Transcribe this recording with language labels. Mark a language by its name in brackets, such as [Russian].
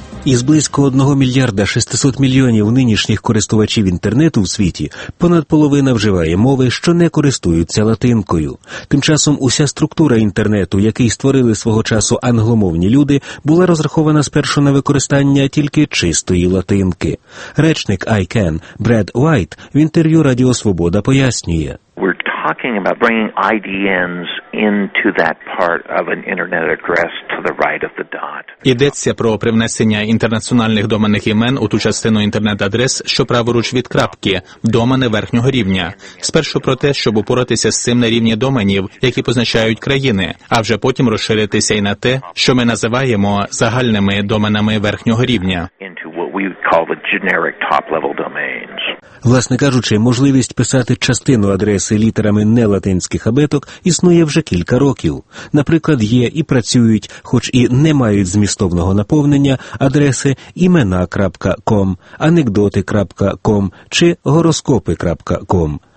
[Ukrainian] Із близько 1 мільярда 600 мільйонів нинішніх користувачів інтернету в світі понад половина вживає мови, що не користуються латинкою. Тим часом уся структура інтернету, який створили свого часу англомовні люди, була розрахована спершу на використання тільки чистої латинки. Речник ICANN Бред Уайт в інтерв'ю Радіо Свобода пояснює. [English] Talking about bringing IDNs into that part of an internet address to the right of the dot. [Ukrainian] Йдеться про привнесення інтернаціональних доменних імен у ту частину інтернет-адрес, що праворуч від крапки, домени верхнього рівня. Спершу про те, щоб упоратися з цим на рівні доменів, які позначають країни, а вже потім розширитися і на те, що ми називаємо загальними доменами верхнього рівня. [English] We would call the generic top-level domains. [Ukrainian] Власне кажучи, можливість писати частину адреси літерами нелатинських абеток існує вже кілька років. Наприклад, є і працюють, хоч і не мають змістовного наповнення, адреси імена.com, анекдоти.com чи гороскопи.com.